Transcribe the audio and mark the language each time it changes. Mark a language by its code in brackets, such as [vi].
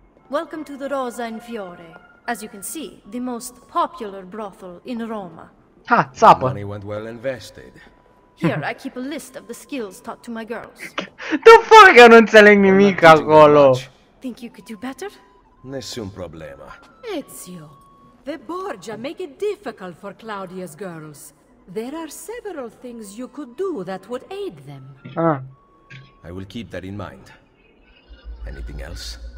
[en] Welcome to the Rosa in Fiore. As you can see, the most popular brothel in Roma. [ro] Ha, țapă. [en] Money went well invested. Here, I keep a list of the skills taught to my girls. The fuck, [ro] eu nu înțeleg nimic acolo. [en] Think you could do better? [it] Nessun problema. [en] Ezio, the Borgia make it difficult for Claudia's girls. There are several things you could do that would aid them. Ah. I will keep that in mind. Anything else?